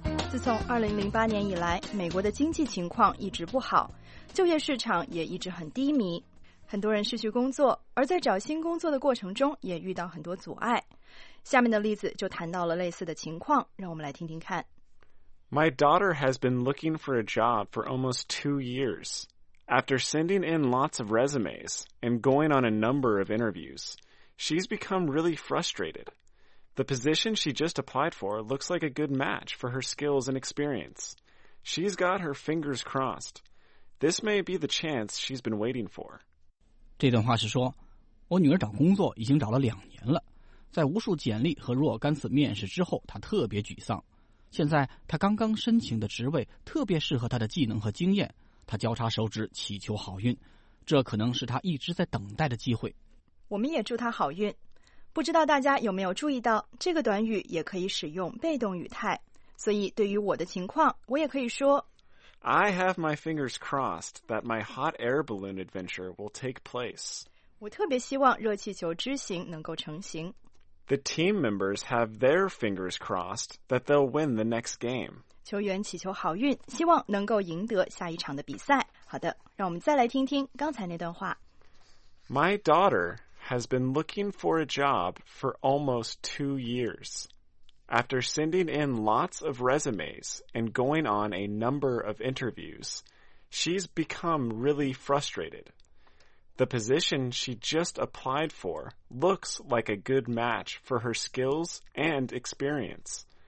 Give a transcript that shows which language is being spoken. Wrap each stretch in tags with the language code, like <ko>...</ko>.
<zh>自从2008年以来，美国的经济情况一直不好，就业市场也一直很低迷，很多人失去工作，而在找新工作的过程中也遇到很多阻碍。下面的例子就谈到了类似的情况，让我们来听听看。</zh> <en>My daughter has been looking for a job for almost 2 years. After sending in lots of resumes and going on a number of interviews, she's become really frustrated. The position she just applied for looks like a good match for her skills and experience. She's got her fingers crossed. This may be the chance she's been waiting for.</en> <zh>这段话是说，我女儿找工作已经找了2年了，在无数简历和若干次面试之后，她特别沮丧。现在她刚刚申请的职位特别适合她的技能和经验，她交叉手指祈求好运，这可能是她一直在等待的机会。我们也祝她好运。不知道大家有没有注意到，这个短语也可以使用被动语态，所以对于我的情况，我也可以说</zh> <en>I have my fingers crossed that my hot air balloon adventure will take place.</en> <zh>我特别希望热气球之行能够成行。</zh> <en>The team members have their fingers crossed that they'll win the next game.</en> <zh>球员祈求好运，希望能够赢得下一场的比赛。好的，让我们再来听听刚才那段话。</zh> <en>My daughterhas been looking for a job for almost 2 years. After sending in lots of resumes and going on a number of interviews, she's become really frustrated. The position she just applied for looks like a good match for her skills and experience.</en>